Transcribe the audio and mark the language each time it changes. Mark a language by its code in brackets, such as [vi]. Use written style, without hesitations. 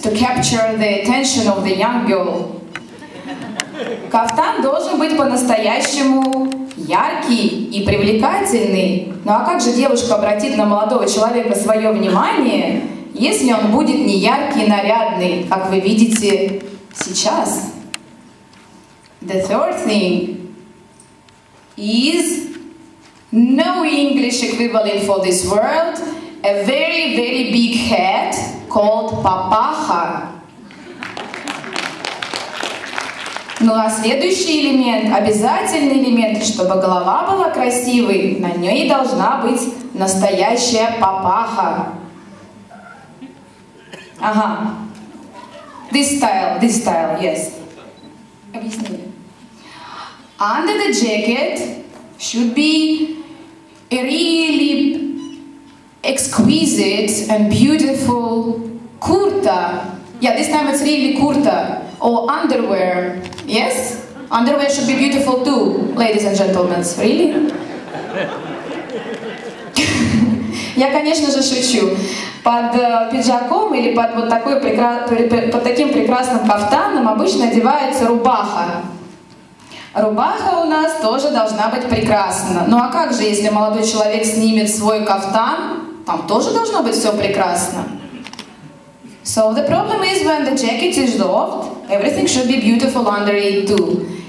[en] To capture the attention of the young girl. [ru] Кафтан должен быть по-настоящему яркий и привлекательный. Ну а как же девушка обратит на молодого человека свое внимание, если он будет не яркий и нарядный, как вы видите сейчас? [en] The third thing is no English equivalent for this word, a very, very big hat called papaha. [ru] Ну а следующий элемент, обязательный элемент, чтобы голова была красивой, на ней должна быть настоящая папаха. Ага. [en] This style, yes. [ru] Объясни. [en] Under the jacket should be a really exquisite and beautiful kurta. Yeah, this time it's really kurta. Or underwear. Yes? Underwear should be beautiful too, ladies and gentlemen. Really? [ru] Я, конечно же, шучу. Под пиджаком или под вот такой под таким прекрасным кафтаном обычно одевается рубаха. Рубаха у нас тоже должна быть прекрасна. Ну а как же, если молодой человек снимет свой кафтан, там тоже должно быть все прекрасно. [en] So the problem is when the jacket is doffed, everything should be beautiful under it too.